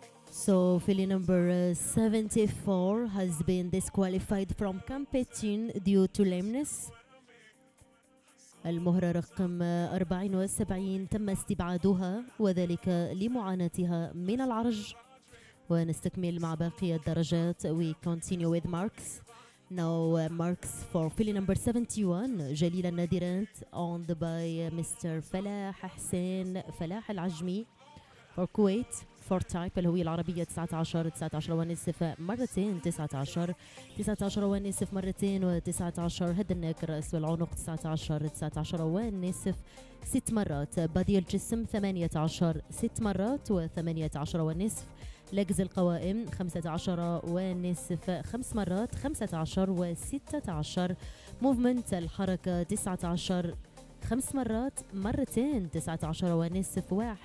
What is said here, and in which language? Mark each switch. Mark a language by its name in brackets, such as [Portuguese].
[English] So filly number 74 has been disqualified from competing due to lameness. [Arabic] المهرة رقم 74 تم استبعادها وذلك لمعاناتها من العرج. ونستكمل مع باقي الدرجات. [English] We continue with marks. Now marks for filly number 71, Jalila Nadirant, owned by Mr. Falah Hassan Falah Al Ajmi for Kuwait. For type [Arabic] اللي هو العربيه 19 19 ونصف مرتين 19 19 ونصف مرتين و19 [English] head النيك [Arabic] راس والعنق 19 19 ونصف ست مرات بادي الجسم 18 ست مرات و18 ونصف لجز القوائم 15 ونصف خمس مرات 15 و16 موفمنت الحركه 19 خمس مرات مرتين 19 ونصف 91.3